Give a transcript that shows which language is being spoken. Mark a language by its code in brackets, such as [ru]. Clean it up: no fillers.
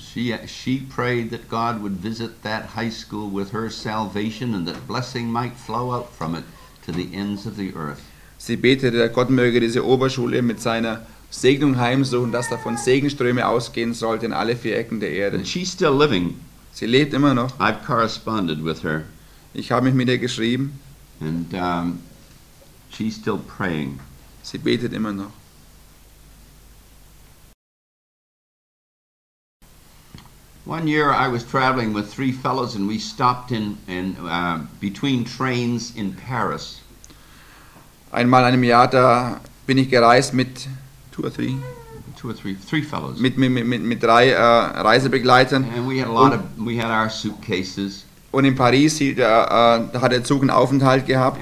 [en] She prayed that God would visit that high school with her salvation and that blessing might flow out from it to the ends of the earth. [de] Sie betete, Gott möge diese Oberschule mit seiner Segnung heimsuchen, dass davon Segenströme ausgehen sollten in alle vier Ecken der Erde. [en] And she's still living. [de] Sie lebt immer noch. [en] I've corresponded with her. [de] Ich habe mich mit ihr geschrieben. [en] And she's still praying. [de] Sie betet immer noch. [en] One year I was traveling with three fellows and we stopped between trains in Paris. [de] Einmal einem Jahr da bin ich gereist mit [en] three fellows. [de] Mit drei Reisebegleitern. [en] And we had a lot of we had our suitcases. [de] Und in Paris hat der Zug einen Aufenthalt gehabt.